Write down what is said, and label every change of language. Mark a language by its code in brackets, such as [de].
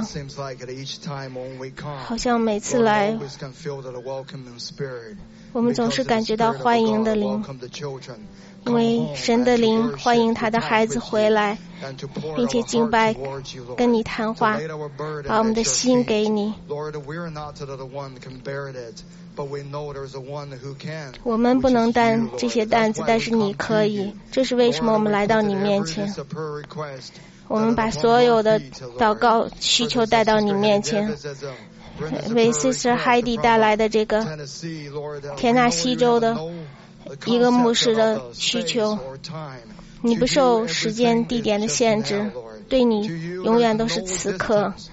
[en] Lord, it seems like each time when we come, [zh] 好像每次来， [en] Lord, we always can feel the welcoming spirit. [zh] 我们总是感觉到欢迎的灵，因为神的灵欢迎他的孩子回来，并且敬拜，跟你谈话，把我们的心给你。 [en] Lord, we're not the one can bear it. But we know there's one who can. [zh] 我们不能担这些担子，但是你可以。这是为什么我们来到你面前。我们把所有的祷告需求带到你面前。为 Sister Heidi 带来的这个田纳西州的一个牧师的需求，你不受时间地点的限制，对你永远都是此刻。